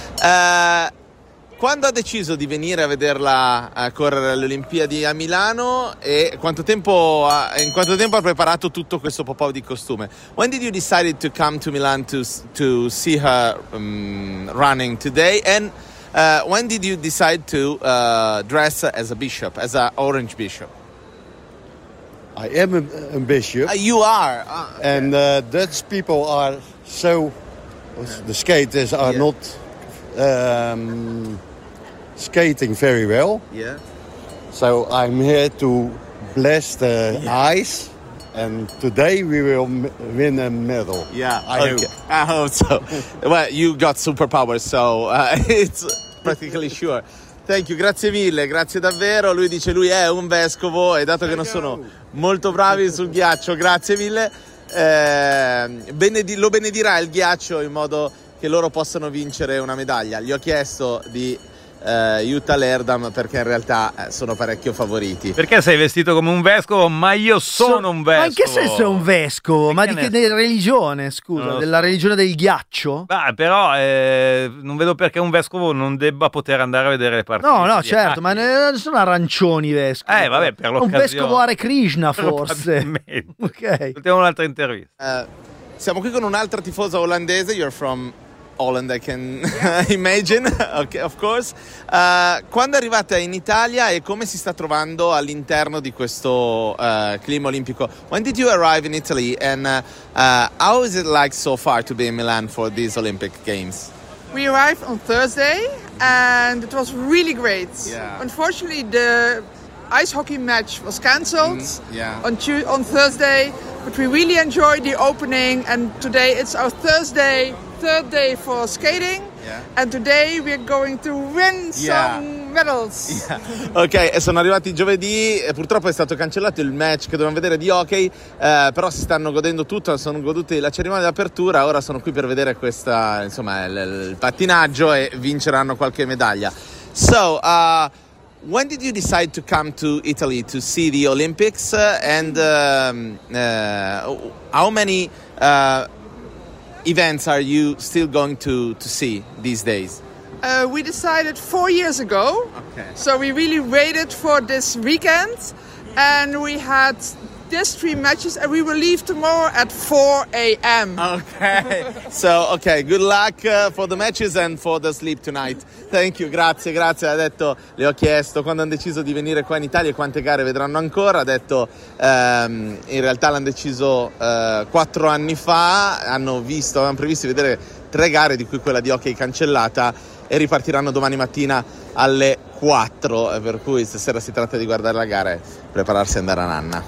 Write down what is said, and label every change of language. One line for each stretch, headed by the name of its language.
Italian: Quando ha deciso di venire a vederla a correre alle Olimpiadi a Milano e in quanto tempo ha preparato tutto questo popò di costume?
English: When did you decide to come to Milan to see her running today? And when did you decide to dress as a bishop, as an orange bishop? I am a bishop. You are. And Dutch people are so... The skaters are not skating very well. So I'm here to bless the ice, and today we will win a medal. I hope so. Well, you got superpowers, so it's practically sure. Thank you,
Italian: grazie mille, grazie davvero. Lui dice, lui è un vescovo, e dato che non sono molto bravi sul ghiaccio, grazie mille. Lo benedirà il ghiaccio in modo che loro possano vincere una medaglia. Gli ho chiesto di Jutta Lerdam perché in realtà sono parecchio favoriti. Perché sei vestito come un vescovo? Ma io sono un vescovo. Ma in che senso è un vescovo? Ma di che religione, scusa? Della religione del ghiaccio? Beh, però non vedo perché un vescovo non debba poter andare a vedere le partite. No, no, certo, ma non sono arancioni i vescovi. Vabbè, per l'occasione. Un vescovo Hare Krishna, forse. Ok. Sentiamo un'altra intervista. Siamo qui con un'altra tifosa olandese.
English: You're from Holland, I can imagine. Okay, of course.
Italian: Quando è arrivata in Italia e come si sta trovando all'interno di questo clima olimpico?
English: When did you arrive in Italy and how is it like so far to be in Milan for these Olympic Games? We arrived on Thursday and it was really great. Yeah. Unfortunately, the ice hockey match was cancelled on Thursday, but we really enjoyed the opening, and today it's our third day for skating, and today we're going to win some medals.
Italian: Ok, e sono arrivati giovedì, e purtroppo è stato cancellato il match che dovevamo vedere di hockey, però si stanno godendo tutto, sono goduti la cerimonia d'apertura, ora sono qui per vedere questa, insomma, il pattinaggio, e vinceranno qualche medaglia.
English: So, when did you decide to come to Italy to see the Olympics, and how many events are you still going to see these days? We decided 4 years ago. Okay. So we really waited for this weekend, and we had this three matches, and we will leave tomorrow at 4 a.m. Okay. So, okay, good luck for the matches and for the sleep tonight. Thank you,
Italian: grazie, grazie. Ha detto, le ho chiesto quando hanno deciso di venire qua in Italia quante gare vedranno ancora. Ha detto, in realtà l'hanno deciso 4 anni fa, hanno previsto vedere 3 gare, di cui quella di hockey cancellata, e ripartiranno domani mattina alle 4, per cui stasera si tratta di guardare la gara e prepararsi ad andare a nanna.